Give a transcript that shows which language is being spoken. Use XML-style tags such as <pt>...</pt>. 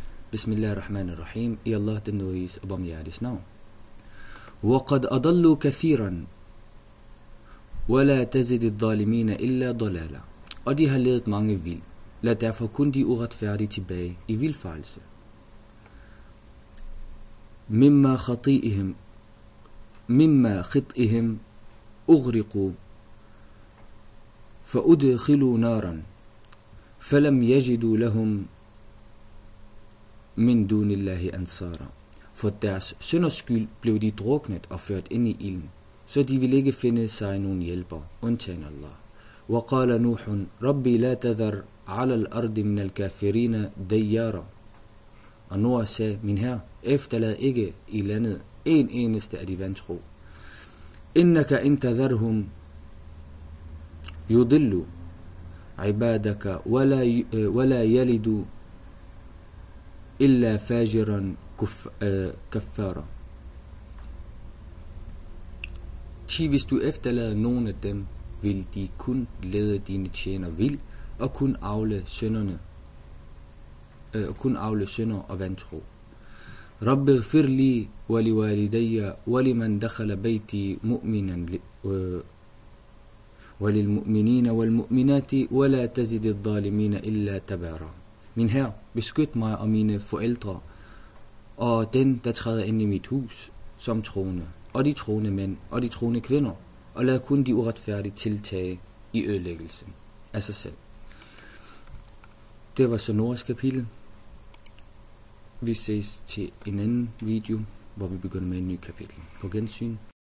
<ar>Bismillahirrahmanirrahim.</ar> <da>I Allah den nøjes og barmhjertiges navn.</da> <ar>Wa qad adallu kathiran, wa la tazidi dhalimina illa dalala.</ar> <da>Og de har ledet mange vild. Lad derfor kun de uretfærdige tilbage i vildfarelse.</da> <ar>Mimma khati'ihim, mimma khit'ihim, أغرقوا فأدخلوا نارا فلم يجدوا لهم من دون الله أنصارا.</ar> <da>For deres synders skyld blev de druknet og ført ind i ilden, så de ville ikke finde sig nogen hjælper, undtagen Allah.</da> <ar>وقال نوح ربي لا تذر على الأرض من الكافرين ديارا.</ar> <da>Og Noah sagde, min her, efterlad ikke i landet en eneste af de vantro.</da> <ar>إنك إن تذرهم يضلوا عبادك ولا يلدوا إلا فاجرا كفارا.</ar> <da>Sige, hvis du efterlader nogen af dem, vil de kun lede dine tjener vild og kun afle synderne og kun afle synder og vantro.</da> <ar>رب اغفر لي ولوالدي ولمن دخل بيتي مؤمنا وللمؤمنين والمؤمنات ولا تزد الظالمين الا تبارا.</ar> <da>Min her, beskyt mig og mine forældre og den der træder ind i mit hus som troende, og de troende mænd og de troende kvinder, og lad kun de uretfærdige tiltage i ødelæggelsen af sig selv. Det var så Noras kapitel. Vi ses til en anden video, hvor vi begynder med en ny kapitel. På gensyn.</da>